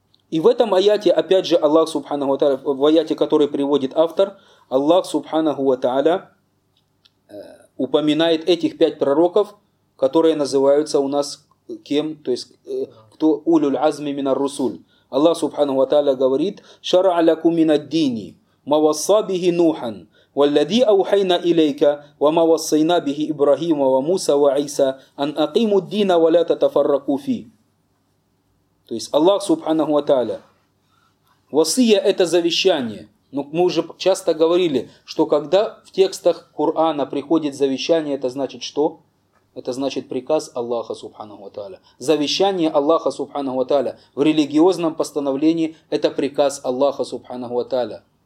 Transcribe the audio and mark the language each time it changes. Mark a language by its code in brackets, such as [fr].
[ru] И в этом аяте, опять же, Аллах Субханаху Ва-Та'аля, в аяте, который приводит автор, Аллах Субханаху Ва-Та'аля упоминает этих пять пророков, которые называются у нас кем? То есть, кто? Улюль азми минар русуль. Аллах Субханаху Ва-Та'аля говорит: [ar] «Шара аляку минад дини, мавасса бихи нухан». والذي أوحينا إليك وما وصينا به إبراهيم وموسى وعيسى أن أقيموا الدين ولا تتفرقوا فيه. [ru] То есть Аллах Субханаху Ва-Та'аля. Васия – это завещание. Но мы уже часто говорили, что когда в текстах Корана приходит завещание, это значит что? Это значит приказ Аллаха Субханаху Ва-Та'аля. Завещание Аллаха Субханаху Ва-Та'аля в религиозном постановлении – это приказ Аллаха Субханаху Ва-Та'аля.